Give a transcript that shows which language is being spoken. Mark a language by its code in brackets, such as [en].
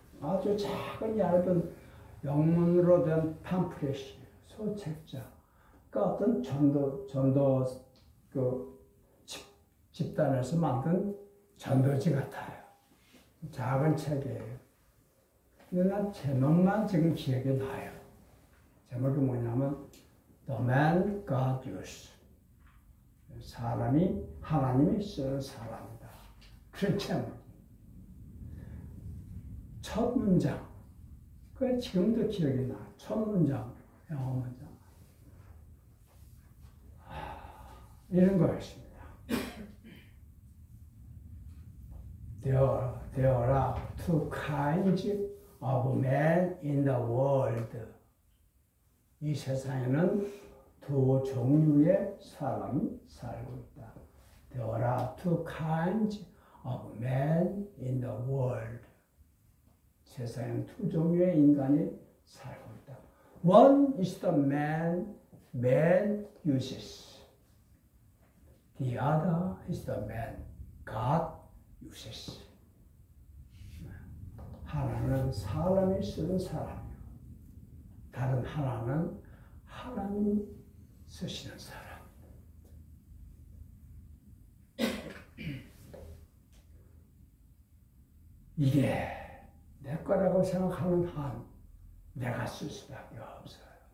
[ko] 아주 작은 얇은 영문으로 된 팜프렛이, 소책자. 그 어떤 전도 그 집단에서 만든 전도지 같아요. 작은 책이에요. 근데 난 제목만 지금 기억이 나요. 제목이 뭐냐면 [en] The Man God Used. [ko] 사람이 하나님이 쓰는 사람이다. 그렇죠. 첫 문장. 그게 지금도 기억이 나. 첫 문장. 영어 문장. 하, 이런 거였습니다. [en] There are two kinds of men in the world. [ko] 이 세상에는 두 종류의 사람이 살고 있다. [en] There are two kinds of men in the world. [ko] 세상에는 두 종류의 인간이 살고 있다. [en] One is the man uses. The other is the man God uses. [ko] 하나는 사람이 쓰는 사람이요. 다른 하나는 하나님 쓰시는 사람. 이게 내 거라고 생각하는 한 내가 쓸 수밖에 없어요.